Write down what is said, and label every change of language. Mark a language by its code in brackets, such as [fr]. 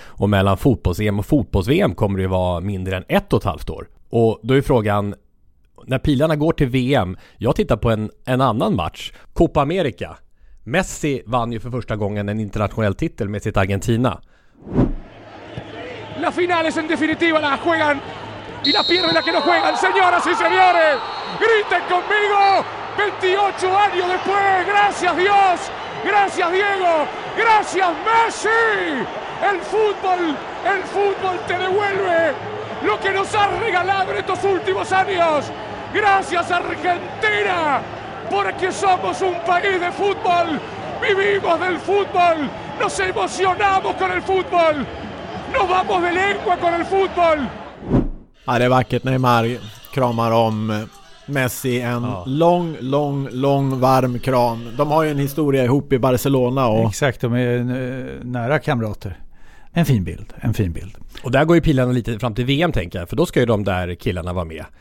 [sv] Och mellan fotbolls-EM och fotbolls-VM kommer det vara mindre än ett och ett halvt år. Och då är frågan... När pilarna går till VM, jag tittar på en annan match, Copa America. Messi vann ju för första gången en internationell titel med sitt Argentina. [es] La final es en definitiva, la juegan y la pierden la que no juegan, señoras y señores. Griten conmigo. 28 años después, gracias Dios, gracias Diego, gracias Messi. El fútbol te devuelve lo que nos ha regalado en estos últimos años. Gracias Argentina, porque somos un país de fútbol, vivimos del fútbol, nos emocionamos con el fútbol, nos vamos de lengua con el fútbol. [sv] Ja, det är vackert när Neymar kramar om Messi, en lång varm kram. De har ju en historia ihop i Barcelona. Och... Exakt, de är nära kamrater. En fin bild. Och där går ju pilarna lite fram till VM, tänker jag. För då ska ju de där killarna vara med.